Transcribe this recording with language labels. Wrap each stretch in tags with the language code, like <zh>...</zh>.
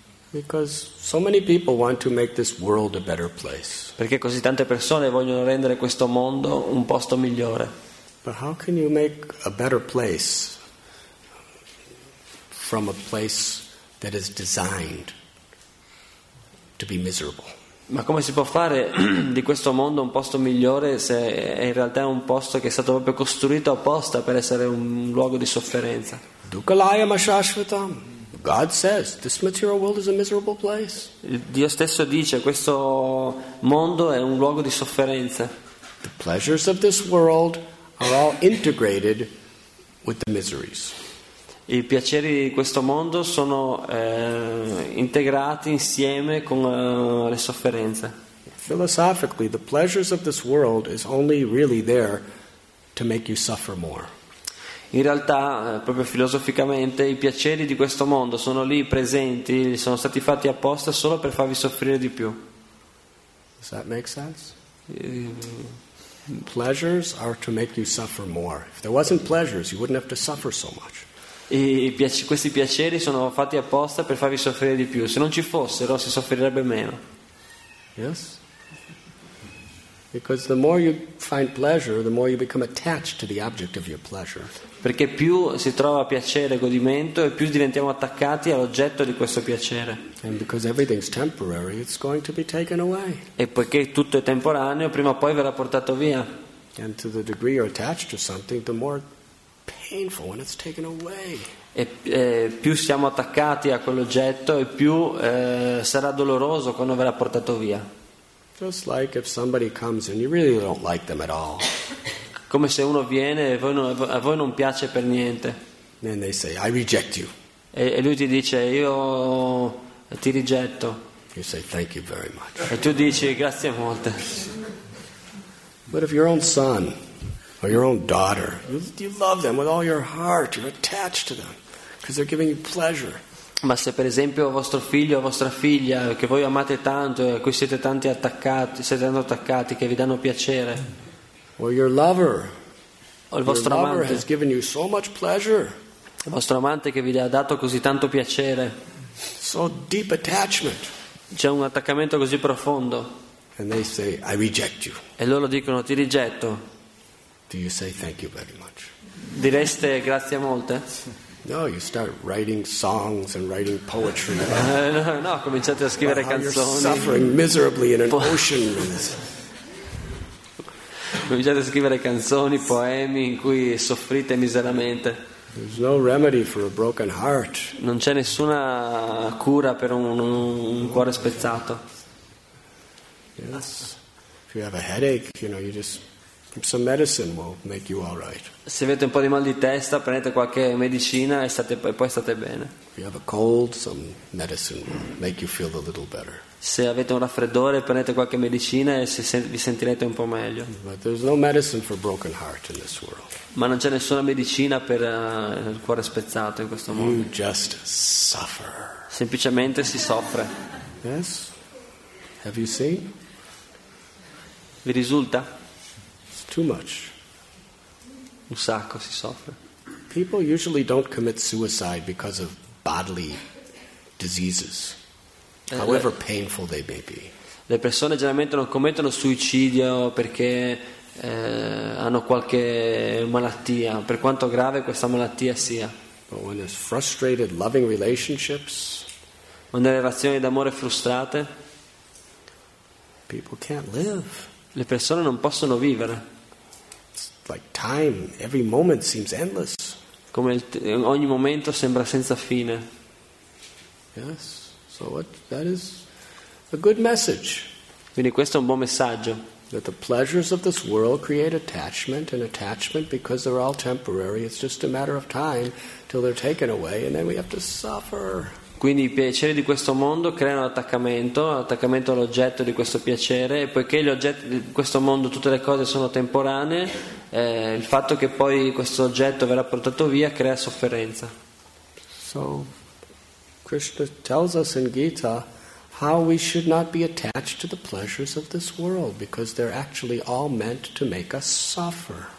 <en>Because so many people want to make this world a better place.</en> <it>Perché così tante persone vogliono rendere questo mondo un posto migliore.</it> <en>But how can you make a better place from a place that is designed to be miserable?</en> <it>Ma come si può fare di questo mondo un posto migliore se è in realtà è un posto che è stato proprio costruito apposta per essere un luogo di sofferenza?</it> <sa>Dukalaya mashashvatam.</sa> <en>God says this material world is a miserable place.</en> <it>Dio stesso dice questo mondo è un luogo di sofferenza.</it> <en>The pleasures of this world are all integrated with the miseries.</en> <it>I piaceri di questo mondo sono integrati insieme con le sofferenze.</it> <en>Philosophically, the pleasures of this world is only really there to make you suffer more.</en> <it>In realtà, proprio filosoficamente, i piaceri di questo mondo sono lì presenti, sono stati fatti apposta solo per farvi soffrire di più.</it> <en>Does that make sense? Pleasures are to make you suffer more. If there wasn't pleasures, you wouldn't have to suffer so much.</en> <it>Questi piaceri sono fatti apposta per farvi soffrire di più. Se non ci fossero, si soffrirebbe meno.</it> <en>Yes? Because the more you find pleasure, the more you become attached to the object of your pleasure.</en> <it>Perché più si trova piacere, godimento, e più diventiamo attaccati all'oggetto di questo piacere.</it> <en>And because everything's temporary, it's going to be taken away.</en> <it>E poiché tutto è temporaneo, prima o poi verrà portato via.</it> <en>And to the degree you're attached to something, the more painful when it's taken away.</en> <it>E più siamo attaccati a quell'oggetto, e più sarà doloroso quando verrà portato via.</it> <en>Just like if somebody comes and you really don't like them at all.</en> <it>Come se uno viene e a voi non piace per niente.</it> <en>And they say, I reject you.</en> <it>E lui ti dice, io ti rigetto.</it> <en>You say, thank you very much.</en> <it>E tu dici, grazie molte.</it> <en>But if your own son or your own daughter, you love them with all your heart, you're attached to them, because they're giving you pleasure.</en> <it>Ma se per esempio vostro figlio o vostra figlia che voi amate tanto e a cui siete tanti attaccati, siete tanto attaccati, che vi danno piacere.</it> <en>Or your lover.</en> <it>O il vostro</it> <en>your</en> <it>amante.</it> <en>Lover has given you so much pleasure.</en> <it>Il vostro amante che vi ha dato così tanto piacere.</it> <en>So deep attachment.</en> <it>C'è un attaccamento così profondo.</it> <en>And they say, I reject you.</en> <it>E loro dicono ti rigetto.</it> <en>Do you say thank you very much?</en> <it>Direste grazie molte?</it> <en>No, you start writing songs and writing poetry.</en> <it>No, cominciate a scrivere canzoni.</it> <en>You're suffering miserably in an ocean.</en> <it>Cominciate a scrivere canzoni, poemi in cui soffrite miseramente.</it> <en>There's no remedy for a broken heart.</en> <it>Non c'è nessuna cura per un cuore spezzato.</it> <en>Yes. If you have a headache, you know, you just some medicine will make you all right.</en> <it>Se avete un po' di mal di testa, prendete qualche medicina e poi state bene.</it> <en>If you have a cold, some medicine will make you feel a little better.</en> <it>Se avete un raffreddore, prendete qualche medicina e vi sentirete un po' meglio.</it> <en>But there's no medicine for broken heart in this world.</en> <it>Ma non c'è nessuna medicina per il cuore spezzato in questo mondo.</it> <en>You just suffer.</en> <it>Semplicemente si soffre.</it> <en>Yes. Have you seen?</en> <it>Vi risulta?</it> <en>It's too much.</en> <it>Un sacco si soffre.</it> <en>People usually don't commit suicide because of bodily diseases, however painful they may be.</en> <it>Le persone generalmente non commettono suicidio perché hanno qualche malattia, per quanto grave questa malattia sia.</it> <en>But when there's frustrated loving relationships,</en> <it>quando le relazioni d'amore frustrate,</it> <en>people can't live.</en> <it>Le persone non possono vivere.</it> <en>It's like time, every moment seems endless.</en> <it>Come ogni momento sembra senza fine.</it> <en>Yes. So that is a good message.</en> <it>Quindi questo è un buon messaggio.</it> <en>That the pleasures of this world create attachment, and attachment, because they're all temporary, it's just a matter of time till they're taken away, and then we have to suffer.</en> <it>Quindi i piaceri di questo mondo creano attaccamento all'oggetto di questo piacere, e poiché gli oggetti di questo mondo, tutte le cose sono temporanee, il fatto che poi questo oggetto verrà portato via crea sofferenza.</it> <en>So Krishna tells us in Gita how we should not be attached to the pleasures of this world, because they're actually all meant to make us suffer.</en>